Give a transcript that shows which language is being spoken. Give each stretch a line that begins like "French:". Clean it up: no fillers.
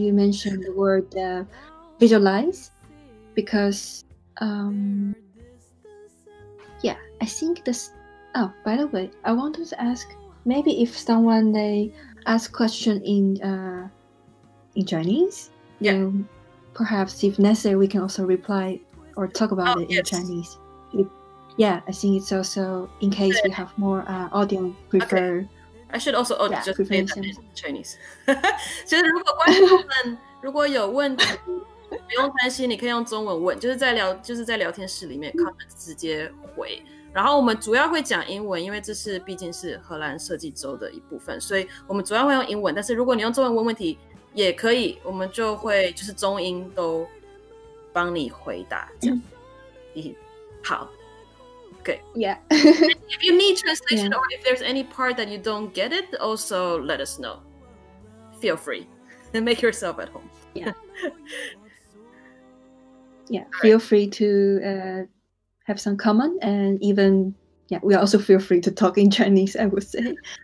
English: You mentioned the word visualize, because by the way, I wanted to ask, maybe if someone they ask question in Chinese, yeah, perhaps if necessary we can also reply or talk about in Chinese. Yeah, I think it's also in case we have more audience prefer. Okay. I should also just say that in Chinese.
Chinese: 就是如果观众们如果有问题，不用担心，你可以用中文问，就是在聊天室里面 comment 直接回。然后我们主要会讲英文，因为这是毕竟是荷兰设计周的一部分，所以我们主要会用英文。但是如果你用中文问题，也可以，我们就会就是中英都帮你回答这样。好。
English: Yeah. If you need translation, yeah, or if there's any part that you don't get it, also let us know. Feel free. Make yourself at home. Yeah. Yeah. All feel right. free to have some comment, and even we also feel free to talk in Chinese, I would say.